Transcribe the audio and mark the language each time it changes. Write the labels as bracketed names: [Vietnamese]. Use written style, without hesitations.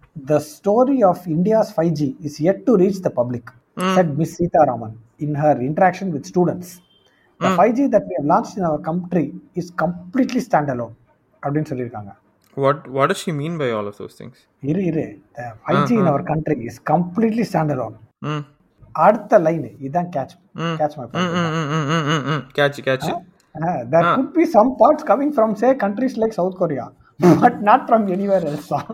[English] The story of India's 5G is yet to reach the public, said Ms. Seetharaman in her interaction with students. The 5G that we have launched in our country is completely standalone, [Tamil] அப்படினு சொல்லிருக்காங்க. [English] What does she mean by all of those things? [Tamil] இரு [English] the 5G in our country is completely standalone. [Tamil] அடுத்த line இதான் [English] catch my point. catch there could be some parts coming from say countries like South Korea, but not from anywhere else.